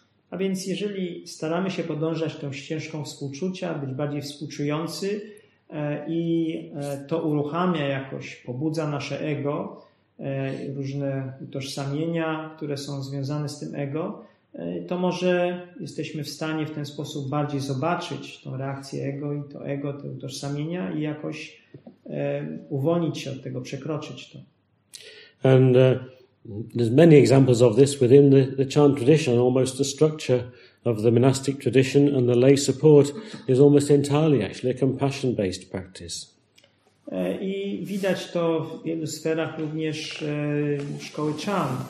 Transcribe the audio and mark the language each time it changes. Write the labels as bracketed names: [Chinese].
[Polish] A więc jeżeli staramy się podążać tą ścieżką współczucia, być bardziej współczujący i to uruchamia jakoś, pobudza nasze ego, różne utożsamienia, które są związane z tym ego, to może jesteśmy w stanie w ten sposób bardziej zobaczyć tą reakcję ego i to ego, te utożsamienia i jakoś uwolnić się od tego, przekroczyć to. [English] And there's many examples of this within the Chan tradition. Almost the structure of the monastic tradition and the lay support is almost entirely actually a compassion-based practice. [Polish] I widać to w wielu sferach również szkoły Chan.